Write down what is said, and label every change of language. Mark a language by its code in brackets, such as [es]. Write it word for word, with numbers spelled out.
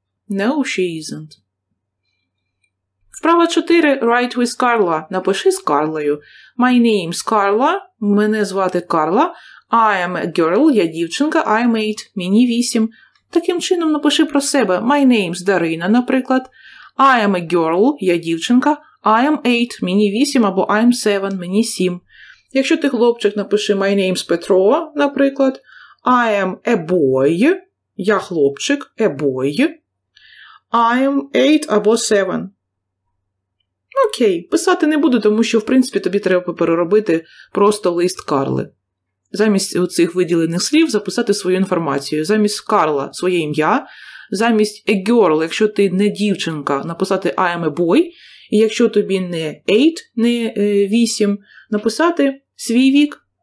[en] No, she isn't. [uk] Вправа чотири. [en] Write with Carla. [uk] Напиши з Карлою. [en] My name's Carla. [uk] Мене звати Карла. [en] I am a girl. [uk] Я дівчинка. [en] I'm eight. [uk] Мені вісім. Таким чином напиши про себе. [en] My name's Дарина, [uk] наприклад. [en] I am a girl. [uk] Я дівчинка. [en] I am eight, [uk] мені вісім, або [en] I am seven, [uk] мені сім. Якщо ти хлопчик, напиши [en] My name's Petro, [uk] наприклад. [en] I am a boy, [uk] я хлопчик, [en] a boy. I am eight [uk] або [en] seven. [uk] Окей, писати не буду, тому що, в принципі, тобі треба переробити просто лист Карли. Замість оцих виділених слів записати свою інформацію. Замість Карла – своє ім'я. Замість a girl, якщо ти не дівчинка, написати [en] I am a boy. [uk] І якщо тобі не eight, не вісім, написати свій вік.